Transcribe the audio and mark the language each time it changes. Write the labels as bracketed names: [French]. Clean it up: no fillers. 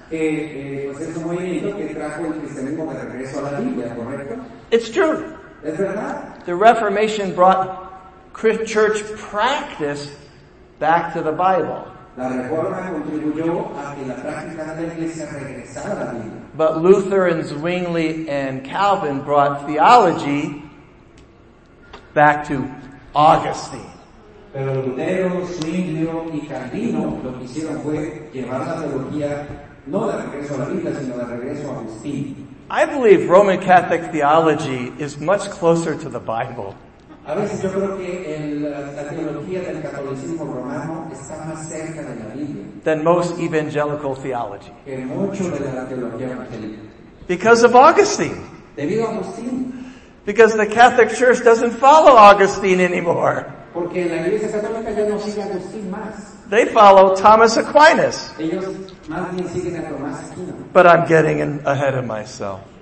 [English] It's true. The Reformation brought church practice back to the Bible. [Spanish] La reforma contribuyó a que la práctica de la iglesia regresara a la Biblia. [English] But Luther and Zwingli and Calvin brought theology back to Augustine. [Spanish] Pero Lutero, Zwingli y Calvino lo que hicieron fue llevar la teología no de regreso a la Biblia, sino de regreso a Agustín. [English] I believe Roman Catholic theology is much closer to the Bible. [Spanish] A veces yo creo que la teología del catolicismo romano está más cerca de la Biblia [English] than most evangelical theology. [Spanish] Que mucho de la teología evangélica. [English] Because of Augustine. [Spanish] Debido a Agustín. [English] Because the Catholic Church doesn't follow Augustine anymore. [Spanish] Porque la Iglesia Católica ya no sigue a Agustín más. [English] They follow Thomas Aquinas. [Spanish] Ellos más bien siguen a Tomás Aquino. [English] But I'm getting ahead of myself.